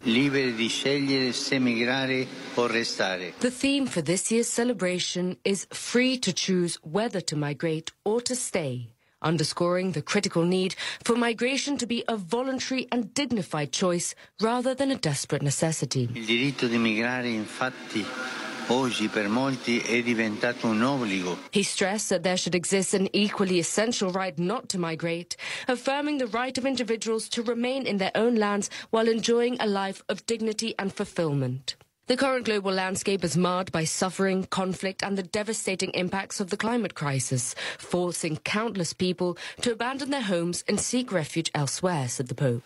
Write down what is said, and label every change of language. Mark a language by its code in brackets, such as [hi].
[it] Libere di scegliere se migrare o restare. [en] The theme for this year's celebration is free to choose whether to migrate or to stay, underscoring the critical need for migration to be a voluntary and dignified choice rather than a desperate necessity. [it] Il diritto di migrare, infatti, oggi per molti è diventato un obbligo. [en] He stressed that there should exist an equally essential right not to migrate, affirming the right of individuals to remain in their own lands while enjoying a life of dignity and fulfillment. The current global landscape is marred by suffering, conflict, and the devastating impacts of the climate crisis, forcing countless people to abandon their homes and seek refuge elsewhere, said the Pope.